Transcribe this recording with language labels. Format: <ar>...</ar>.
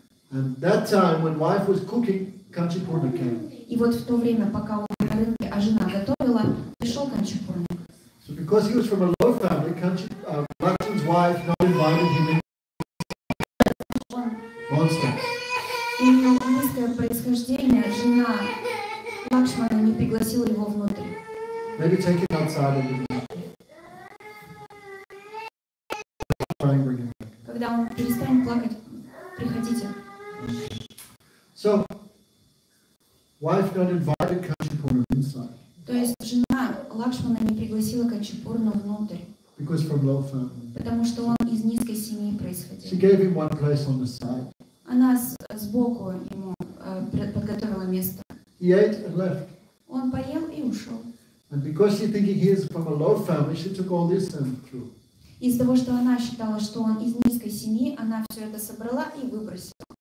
<en>And that time when wife was cooking, Kanchipurna came.</en> <ru>И вот в то время, пока он на рынке, а жена готовила, пришел Kanchipurna.</ru> <en>So because he was from a low family, Lakshman's wife not invited him in. Monster.</en> <ru>У него низкое происхождение, жена Лакшмана не пригласила его внутрь.</ru> <en>Maybe take it outside and bring it.</en> <ru>Когда он перестанет плакать, приходите.</ru> <en>So, wife not invited Kanchipurna inside.</en> <ru>То есть жена Лакшмана не пригласила Канчапурну внутрь.</ru> <en>Because from low family.</en> <ru>Потому что он из низкой семьи происходил.</ru> <en>She gave him one place on the side.</en> <ru>Она сбоку ему подготовила место.</ru> <en>He ate and left.</en> <ru>Он поел и ушел.</ru> <en>And because she thinking he is from a low family, she took all this and threw.</en> <ru>Из-за того, что она считала, что он из низкой семьи, она все это собрала и выбросила.</ru>